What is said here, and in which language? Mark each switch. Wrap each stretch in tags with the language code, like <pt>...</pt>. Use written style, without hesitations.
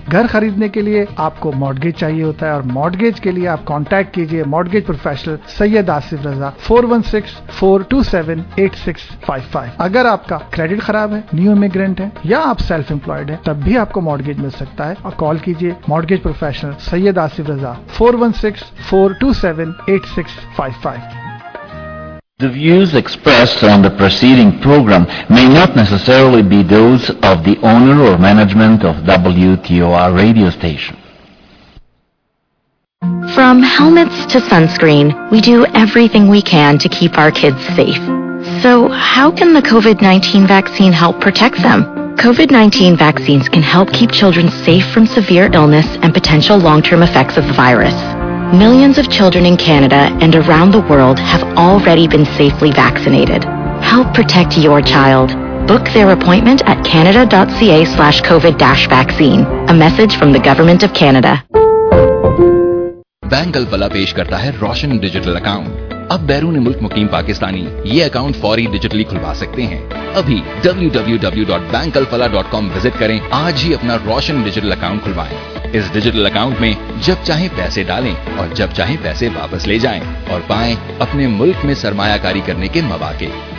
<hi>घर खरीदने के लिए आपको मॉर्गेज चाहिए होता है और मॉर्गेज के लिए आप कॉन्टैक्ट कीजिए मॉर्गेज प्रोफेशनल सैयद आसिफ रजा 416-427-8655। अगर आपका क्रेडिट खराब है, न्यू इमिग्रेंट है या आप सेल्फ एम्प्लॉयड है, तब भी आपको मॉर्गेज मिल सकता है और कॉल कीजिए mortgage professional Syed Asif Raza 416-427-8655।</hi> <en>The views expressed on the preceding program may not necessarily be those of the owner or management of WTOR radio station. From helmets to sunscreen, we do everything we can to keep our kids safe. So, how can the COVID-19 vaccine help protect them? COVID-19 vaccines can help keep children safe from severe illness and potential long-term effects of the virus. Millions of children in Canada and around the world have already been safely vaccinated. Help protect your child. Book their appointment at canada.ca/covid-vaccine. A message from the Government of Canada.</en> <hi>Bank Alfala पेश करता है रोशन digital account. अब बैरून मुल्क मुकीम पाकिस्तानी ये account फौरी digitally खुलवा सकते हैं. अभी www.bankalfala.com विजिट करें, आज ही अपना रोशन डिजिटल अकाउंट खुलवाएं. इस डिजिटल अकाउंट में जब चाहे पैसे डालें और जब चाहे पैसे वापस ले जाएं और पाएं अपने मुल्क में सरमायाकारी करने के मौके.</hi>